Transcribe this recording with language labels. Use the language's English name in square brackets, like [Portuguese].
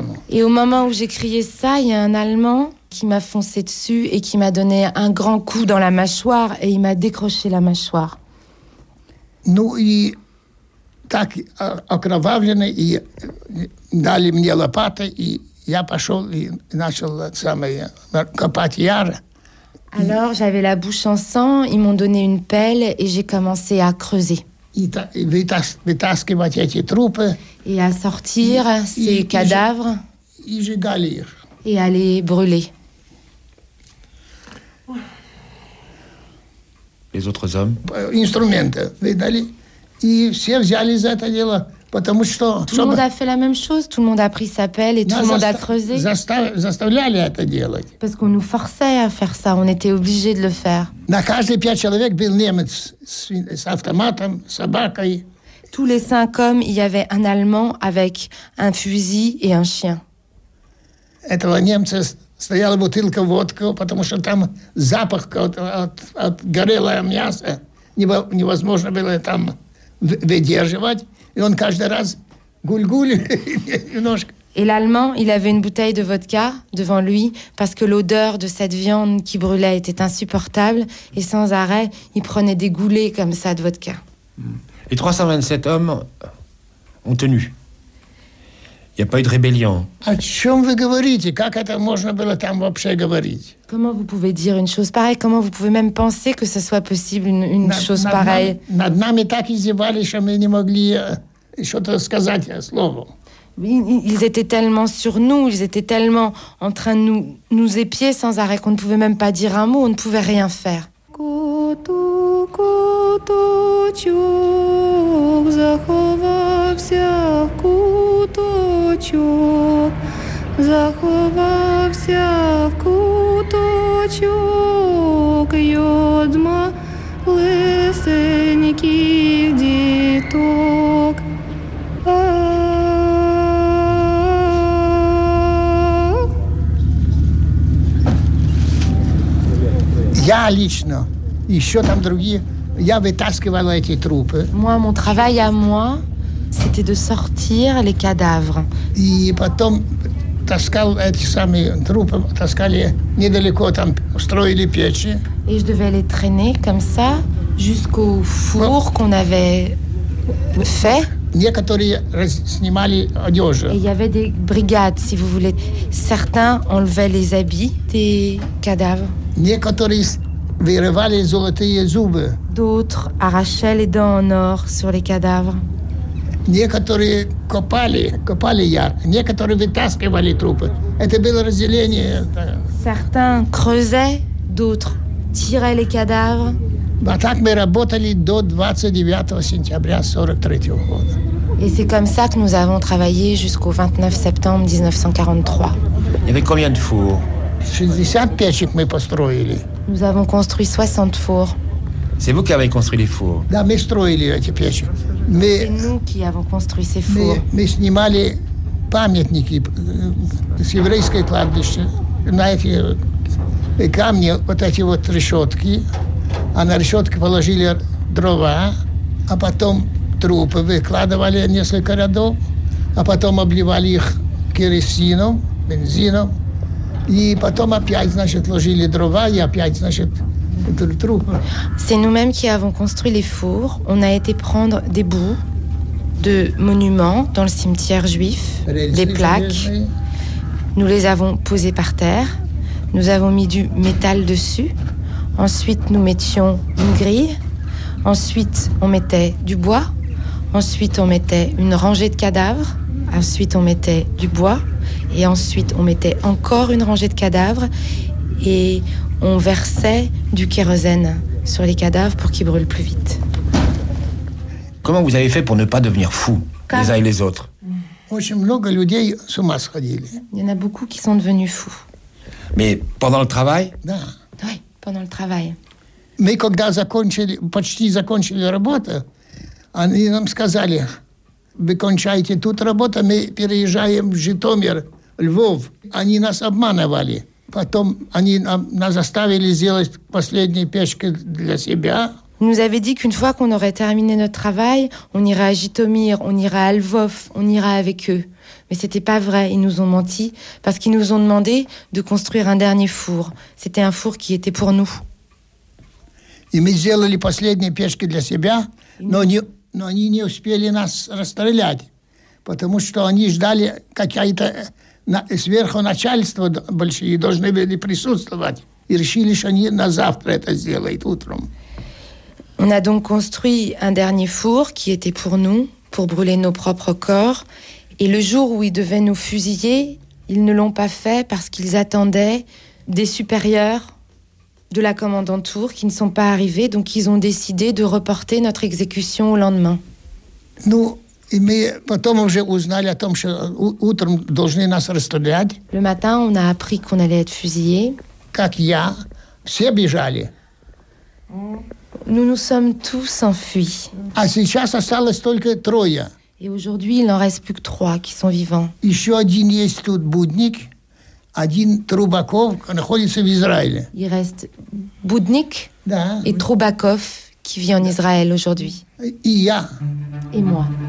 [French] Et au moment où j'ai crié ça, il y a un Allemand qui m'a foncé dessus et qui m'a donné un grand coup dans la mâchoire et il m'a décroché la mâchoire. Nous, il... [Russian] Так окровавленный, и дали мне лопаты, и я пошел и начал копать яр. [French] Alors, j'avais la bouche en sang, ils m'ont donné une pelle et j'ai commencé à creuser. [Russian] И вытаскивать эти трупы. [French] Et à sortir ces cadavres. [Russian] И сжигали их. [French] Et à les brûler. Les autres hommes? [Russian] Инструменты, видали? И все взяли за это дело, потому что... [French] Tout le monde a fait la même chose, tout le monde a pris sa pelle et tout le monde a creusé. [Russian] Заставляли это делать. [French] Parce qu'on nous forçait à faire ça, on était obligés de le faire. [Russian] На каждый пять человек был немец с автоматом, собакой. [French] Tous les cinq hommes, il y avait un Allemand avec un fusil et un chien. [Russian] Этого немца стояла бутылка водки, потому что там запах от горелого мяса невозможно было там... выдерживать, и он каждый раз гуль-гуль немножко. [French] Et l'Allemand, il avait une bouteille de vodka devant lui, parce que l'odeur de cette viande qui brûlait était insupportable, et sans arrêt, il prenait des goulets comme ça de vodka. Les 327 hommes ont tenu. Il n'y a pas eu de rébellion. [Russian] О чем вы говорите? Как это можно было там вообще говорить? [French] Comment vous pouvez dire une chose pareille? Comment vous pouvez même penser que ce soit possible une chose pareille? [Russian] Над нами так издевались, что мы не могли что-то сказать, слово. [French] Ils étaient tellement sur nous, ils étaient tellement en train de nous épier sans arrêt qu'on ne pouvait même pas dire un mot, on ne pouvait rien faire. [Ukrainian] куточок, заховався в куточок, заховався в куточок, й одма лисеньких діток. [Russian] Я лично, и еще там другие, я вытаскивал эти трупы. [French] Moi, mon travail à moi, c'était de sortir les cadavres. [Russian] И потом таскал эти самые трупы, таскали недалеко, там устроили печи. [French] Et je devais les traîner comme ça jusqu'au four qu'on avait fait. [Russian] Некоторые снимали одежду. [French] Et il y avait des brigades, si vous voulez. Certains enlevaient les habits des cadavres. [Russian] Некоторые вырывали золотые зубы. [French] D'autres arrachaient les dents en or sur les cadavres. [Russian] Некоторые копали, копали яр. Некоторые вытаскивали трупы. Это было разделение. [French] Certains creusaient, d'autres tiraient les cadavres. [Russian] А так мы работали до 29 сентября 43 года. [French] Et c'est comme ça que nous avons travaillé jusqu'au 29 septembre 1943. Il y avait combien de fours? [Russian] 60 печек мы построили. [French] Nous avons construit 60 fours. C'est vous qui avez construit les fours? [Russian] Да, мы строили эти печи. [French] C'est nous qui avons construit ces fours. [Russian] Мы снимали памятники с еврейской кладбища. На эти камни, вот эти вот решетки. А на решетки положили дрова, а потом трупы выкладывали несколько рядов, а потом обливали их керосином, бензином. И потом опять, значит, ложили дрова, и опять, значит, трупы. [French] C'est nous-mêmes qui avons construit les fours. On a été prendre des bouts de monuments dans le cimetière juif, des plaques. Nous les avons posées par terre. Nous avons mis du métal dessus. Ensuite, nous mettions une grille. Ensuite, on mettait du bois. Ensuite, on mettait une rangée de cadavres. Ensuite, on mettait du bois. Et ensuite, on mettait encore une rangée de cadavres et on versait du kérosène sur les cadavres pour qu'ils brûlent plus vite. Comment vous avez fait pour ne pas devenir fous, les uns et les autres? Il y en a beaucoup qui sont devenus fous. Mais pendant le travail? Oui, pendant le travail. Mais quand ils ont presque fini le travail, ils nous ont dit... [Ukrainian] Ви кончаєте тут роботу, ми переїжджаємо в Житомир, Львов. Вони нас обманували. Потім вони нас заставили зробити останні печки для себе. [French] Nous avait dit qu'une fois qu'on aurait terminé notre travail, on irait à Житомир, on irait à Львов, on irait avec eux. Mais c'était pas vrai, ils nous ont menti parce qu'ils nous ont demandé de construire un dernier four. C'était un four qui était pour nous. [Ukrainian] І ми зробили останні печки для себе, [Russian] но не Но они не успели нас расстрелять, потому что они ждали какая-то сверху начальство большие должны были присутствовать и решили, что они на завтра это сделают утром. [French] On a donc construit un dernier four qui était pour nous, pour brûler nos propres corps. Et le jour où ils devaient nous fusiller, ils ne l'ont pas fait parce qu'ils attendaient des supérieurs de la commandanture qui ne sont pas arrivés, donc ils ont décidé de reporter notre exécution au lendemain. Nous, et [Russian] мы потом уже узнали о том, что утром должны нас расстрелять. [French] Le matin, on a appris qu'on allait être fusillé. [Russian] Как я, все бежали. [French] Nous nous sommes tous enfuis. [Russian] А сейчас осталось только трое. [French] Et aujourd'hui, il n'en reste plus que trois qui sont vivants. [Russian] Еще один есть тут будник. Один Трубаков находится в Израиле. [French] Il reste Будник et Трубаков qui vit en Israël aujourd'hui. [Russian] И я. [French] Et moi.